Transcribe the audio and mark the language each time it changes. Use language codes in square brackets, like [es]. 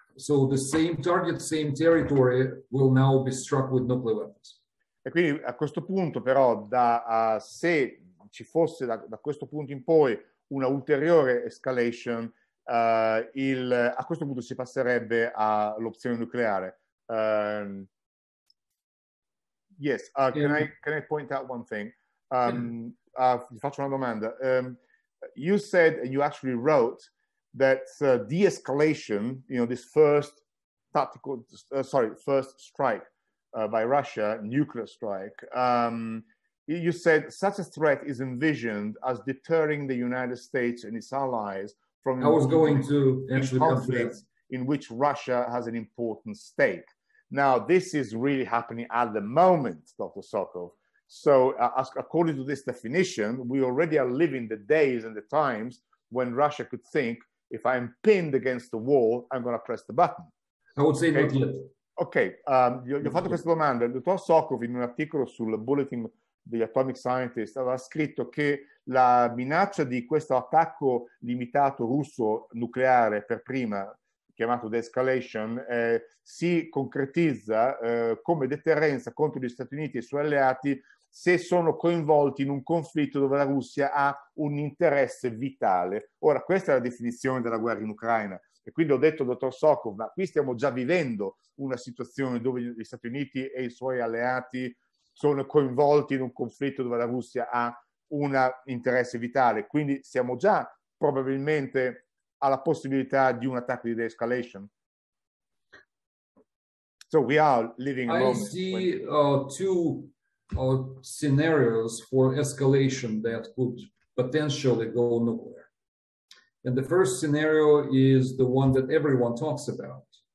[en] So the same target, same territory will now be struck with nuclear weapons. [it] E quindi a questo punto, però, se ci fosse da questo punto in poi una ulteriore escalation, a questo punto si passerebbe all'opzione nucleare. [en] Yes, can I point out one thing? [it] Vi faccio una domanda. [en] You said, you actually wrote that de-escalation, you know, this first tactical, first strike by Russia, nuclear strike, you said such a threat is envisioned as deterring the United States and its allies from conflicts in which Russia has an important stake. Now, this is really happening at the moment, Dr. Sokov. So, according to this definition, we already are living the days and the times when Russia could think, if I'm pinned against the wall, I'm going to press the button. I would say not yet. [it] Okay, gli ho fatto questa domanda. Dottor Sokov, in un articolo sul Bulletin degli Atomic Scientists, aveva scritto che la minaccia di questo attacco limitato russo nucleare per prima, chiamato de-escalation, si concretizza come deterrenza contro gli Stati Uniti e i suoi alleati se sono coinvolti in un conflitto dove la Russia ha un interesse vitale. Ora, questa è la definizione della guerra in Ucraina. E quindi ho detto, dottor Sokov, ma qui stiamo già vivendo una situazione dove gli Stati Uniti e i suoi alleati sono coinvolti in un conflitto dove la Russia ha un interesse vitale. Quindi siamo già probabilmente alla possibilità di un attacco di de-escalation. [en] So we are living a moment. I see two scenarios for escalation that could potentially go nowhere. And the first scenario is the one that everyone talks about.